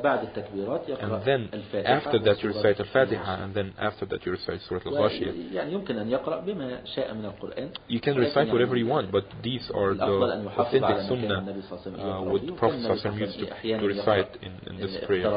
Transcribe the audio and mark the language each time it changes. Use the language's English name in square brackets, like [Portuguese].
[Arabic] وبعد التكبيرات يقرأ [English] and then after that you recite الفاتحة and then after that you recite سورة الغاشية [Arabic] يعني يمكن أن يقرأ بما شاء من القرآن [English] you can recite whatever you want but these are the authentic sunnah what Prophet [Arabic] صلى الله عليه وسلم [English] used to recite in this prayer